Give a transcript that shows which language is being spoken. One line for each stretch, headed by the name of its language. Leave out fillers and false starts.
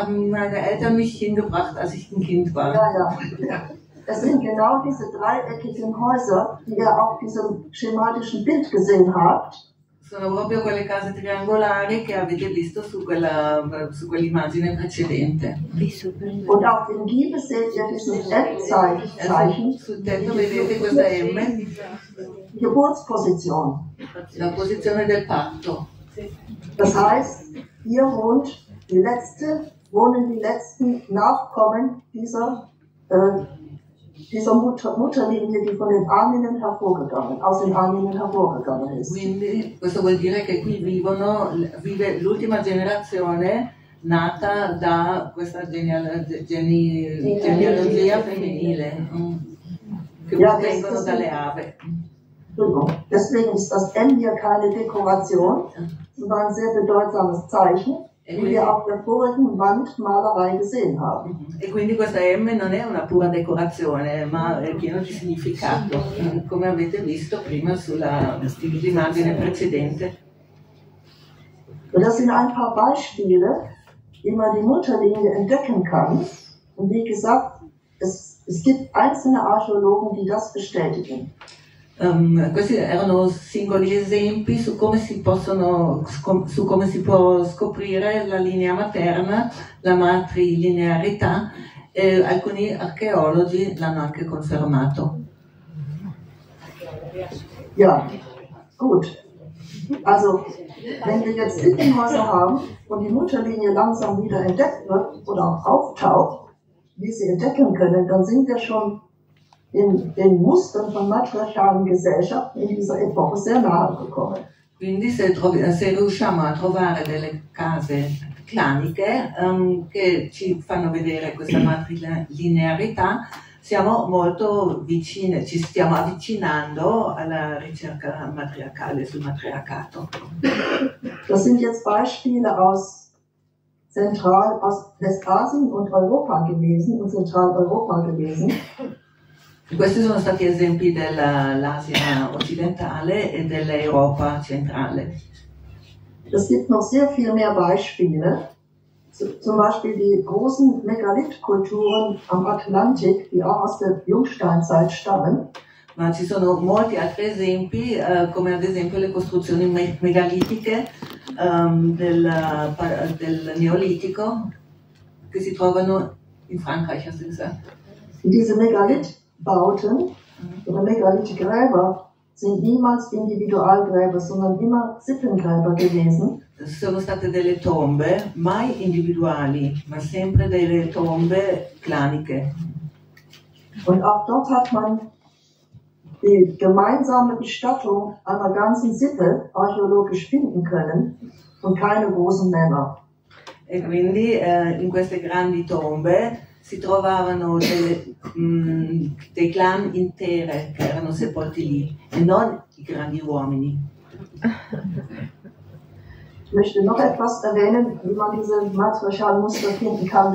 German: Meine Eltern mich hingebracht, als ich ein Kind war. Ja. Das sind genau diese dreieckigen Häuser, die ihr auf diesem schematischen Bild gesehen habt.
Italian: sono proprio quelle case triangolari che avete visto su quella, su quell'immagine precedente.
German: Und auf dem Giebel seht ihr dieses Zeichen.
Italian: Sul tetto vedete questa M.
German: Geburtsposition.
Italian: La posizione del parto.
German: Das heißt, hier wohnt die letzte, wohnen die letzten Nachkommen dieser dieser Mutterlinie, die von den Ahnen hervorgegangen, aus den Ahnen hervorgegangen ist.
Italian: Quindi questo vuol dire che qui vivono, vive l'ultima generazione nata da questa genealogia femminile, che vengono dalle ave.
German: Deswegen ist das M hier keine Dekoration, sondern ein sehr bedeutsames Zeichen, wie wir auf der vorigen Wandmalerei gesehen haben.
Italian: E quindi questa M non è una pura decorazione, ma è pieno di significato, come avete visto prima sulla immagine precedente.
German: Und das sind ein paar Beispiele, wie man die Mutterlinie entdecken kann. Und wie gesagt, es gibt einzelne Archäologen, die das bestätigen.
Italian: Questi erano singoli esempi su come si possono, su come si può scoprire la linea materna, la matrilinearità, e alcuni archeologi l'hanno anche confermato.
German: Ja, gut. Also, wenn wir jetzt Sittenhäuser haben und die Mutterlinie langsam wieder entdeckt wird oder auftaucht, wie sie entdecken können, dann sind wir schon in den Mustern von matriarchalen Gesellschaften in dieser Epoche sehr nahe gekommen.
Italian: Quindi se, se riusciamo a trovare delle case claniche che ci fanno vedere questa matrilinearità, siamo molto vicine, ci stiamo avvicinando alla ricerca matriarcale sul matriarcato.
German: Das sind jetzt Beispiele aus Zentral, aus Westasien und Europa gewesen, und Zentraleuropa gewesen.
Italian: Questi sono stati esempi dell'Asia occidentale e dell'Europa centrale.
German: Es gibt noch sehr viel mehr Beispiele, zum Beispiel die großen Megalithkulturen am Atlantik, die auch aus der Jungsteinzeit stammen.
Italian: Ma ci sono molti altri esempi, come ad esempio le costruzioni megalitiche del Neolitico, che si trovano
German: in Frankreich, hast du gesagt? Diese Megalith Bauten oder megalithische Gräber sind niemals Individualgräber, sondern immer Sippengräber gewesen.
Italian: Sono state delle tombe mai individuali, ma sempre delle tombe claniche.
German: Und auch dort hat man die gemeinsame Bestattung einer ganzen Sippe archäologisch finden können und keine großen Männer.
Italian: E quindi in queste grandi tombe si trovavano dei clan intere che erano sepolti lì, e non i grandi uomini.
German: Ich möchte noch etwas erwähnen, wie man diese matriarchalen Muster finden kann.